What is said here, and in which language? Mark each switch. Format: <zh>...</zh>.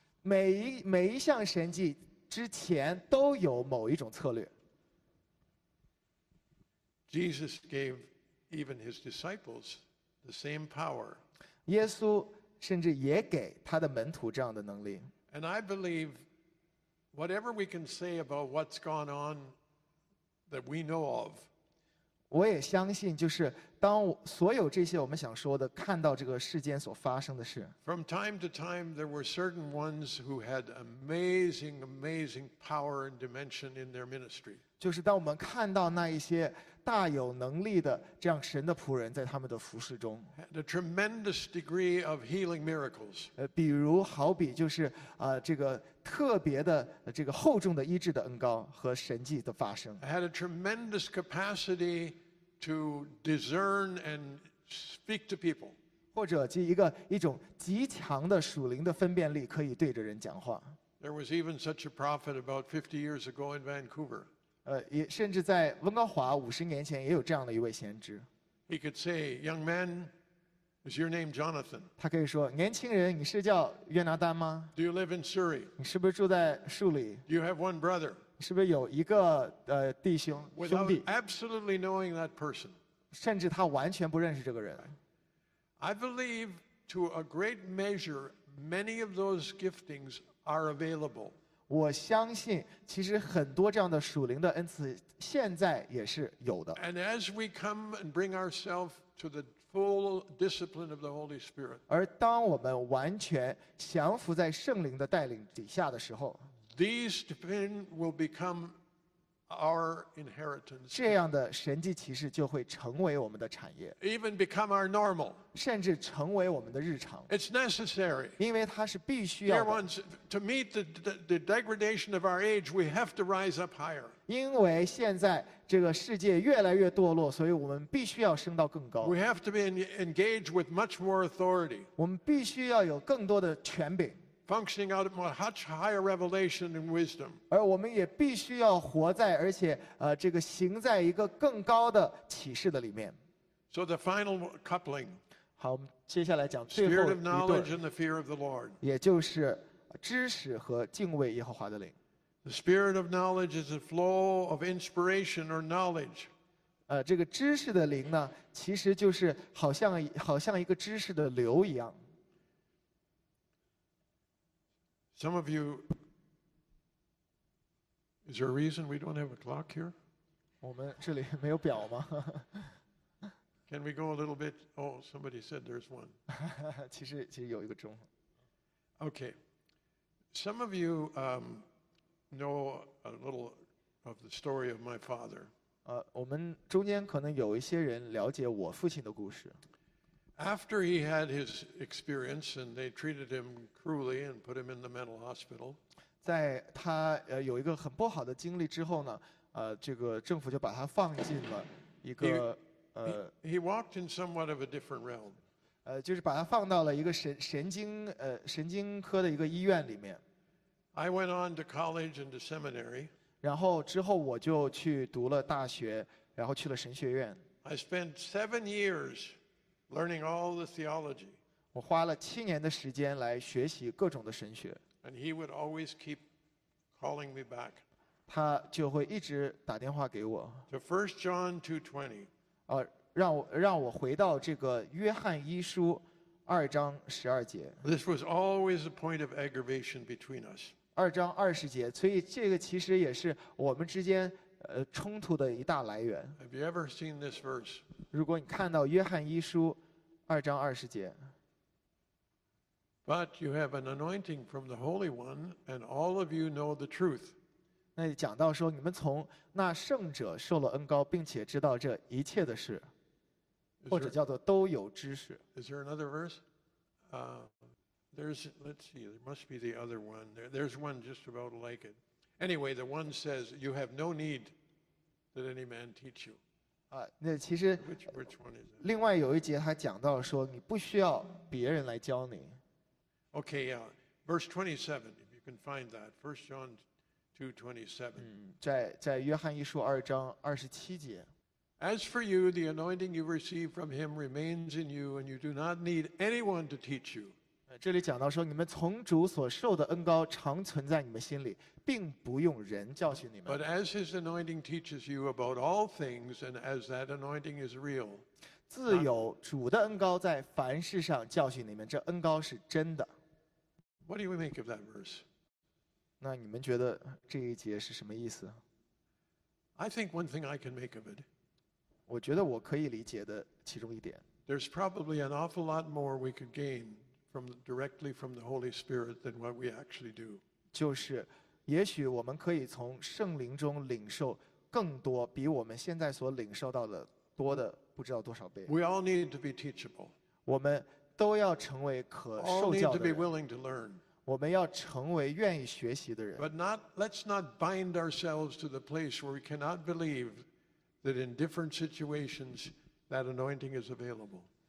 <zh>每一项神迹之前都有某一种策略。</zh> <en>Jesus gave even his disciples the same power.</en> <zh>耶稣甚至也给他的门徒这样的能力。</zh> <en>And I believe whatever we can say about what's gone on that we know of.</en> <zh>我也相信就是当所有这些我们想说的看到这个世间所发生的事。</zh> <en>From time to time there were certain ones who had amazing, amazing power and dimension in their ministry.</en> <zh>就是当我们看到那一些大有能力的这样神的仆人在他们的服事中</zh> <en>a tremendous degree of healing miracles</en> <zh>比如好比就是、这个特别的这个厚重的医治的恩膏和神迹的发生</zh> <en>had a tremendous capacity to discern and speak to people</en> <zh>或者即一种极强的属灵的分辨力可以对着人讲话</zh> <en>There was even such a prophet about 50 years ago in Vancouver</en> <zh>也甚至在温哥华50年前也有这样的一位先知。</zh> <en>He could say, "Young man, is your name Jonathan?"</en> <zh>他可以说，年轻人，你是叫约拿丹吗</zh> <en>？Do you live in Surrey?</en> <zh>你是不是住在树里</zh> <en>？Do you have one brother?</en> <zh>你是不是有一个弟兄兄弟</zh> <en>？Without absolutely knowing that person,</en> <zh>甚至他完全不认识这个人。</zh> <en>I believe to a great measure, many of those giftings are available.</en> <zh>我相信其实很多这样的属灵的恩赐现在也是有的。</zh> <en>And as we come and bring ourselves to the full discipline of the Holy Spirit,</en> <zh>而当我们完全降服在圣灵的带领底下的时候</zh> <en>these divine will become our inheritance.</en> <zh>这样的神迹奇事就会成为我们的产业。</zh> <en>Even become our normal.</en> <zh>甚至成为我们的日常。</zh> <en>It's necessary.</en> <zh>因为它是必须要的。</zh> <en>Dear ones, to meet the degradation of our age, we have to rise up higher.</en> <zh>因为现在这个世界越来越堕落，所以我们必须要升到更高。</zh> <en>We have to be engaged with much more authority.</en> <zh>我们必须要有更多的权柄。</zh> <en>Functioning out of a much higher revelation and wisdom.</en> <zh>而我们也必须要活在，而且这个行在一个更高的启示的里面。</zh> <en>So the final coupling.</en> <zh>好，我们接下来讲最后一对。</zh> <en>Spirit of knowledge and the fear of the Lord.</en> <zh>也就是知识和敬畏耶和华的灵。</zh> <en>The spirit of knowledge is a flow of inspiration or knowledge.</en> <zh>这个知识的灵呢，其实就是好像一个知识的流一样。</zh> <en>Some of you, is there a reason we don't have a clock here?</en> <zh>我们这里没有表吗</zh> <en>Can we go a little bit? Oh, somebody said there's one.</en> <zh>其实有一个钟。</zh> <en>Okay. Some of you know a little of the story of my father.</en> <zh>我们中间可能有一些人了解我父亲的故事。</zh> <en>After he had his experience and they treated him cruelly and put him in the mental hospital,</en> <zh>在他有一个很不好的经历之后呢，这个政府就把他放进了一个</zh> <en>He walked in somewhat of a different realm.</en> <zh>就是把他放到了一个神经科的一个医院里面。</zh> <en>I went on to college and to seminary.</en> <zh>然后之后我就去读了大学，然后去了神学院。</zh> <en>I spent 7 years. Learning all the theology.</en> <zh>我花了7年的时间来学习各种的神学。</zh> <en>And he would always keep calling me back.</en> <zh>他就会一直打电话给我。</zh> <en>To 1 John 2:20.</en> <zh>让我回到这个约翰一书二章十二节。</zh> <en>This was always a point of aggravation between us.</en> <zh>二章二十节，所以这个其实也是我们之间冲突的一大来源。</zh> <en>Have you ever seen this verse?</en> <zh>如果你看到约翰一书二章二十节。</zh> <en>But you have an anointing from the Holy One, and all of you know the truth.</en> <zh>那讲到说，你们从那圣者受了恩膏，并且知道这一切的事，或者叫做都有知识。</zh> <en>Is there another verse? There must be the other one. There's one just about like it. Anyway, the one says, "You have no need that any man teach you."</en> <zh>那其实</zh> <en>which one is it?</en> <zh>另外有一节他讲到说，你不需要别人来教你。</zh> <en>Okay, verse 27, if you can find that, 1 John 2:27.</en> <zh>在约翰一书二章二十七节。</zh> <en>As for you, the anointing you receive from him remains in you, and you do not need anyone to teach you.</en> <zh>这里讲到说，你们从主所受的恩膏常存在你们心里，并不用人教训你们。</zh> <en>But as his anointing teaches you about all things, and as that anointing is real.</en> <zh>自有主的恩膏在凡事上教训你们，这恩膏是真的。</zh> <en>What do we make of that verse?</en> <zh>那你们觉得这一节是什么意思？</zh> <en>I think one thing I can make of it.</en> <zh>我觉得我可以理解的其中一点。</zh> <en>There's probably an awful lot more we could gain from directly from the Holy Spirit than what we actually do.</en> <zh>就是，也许我们可以从圣灵中领受更多，比我们现在所领受到的多的。不知道多少倍。</zh> <en>We all need to be teachable.</en> <zh>我们都要成为可受教的人。</zh> <en>All need to be willing to learn.</en> <zh>我们要成为愿意学习的人。</zh> <en>But let's not bind ourselves to the place where we cannot believe that in different situations that anointing is available.</en>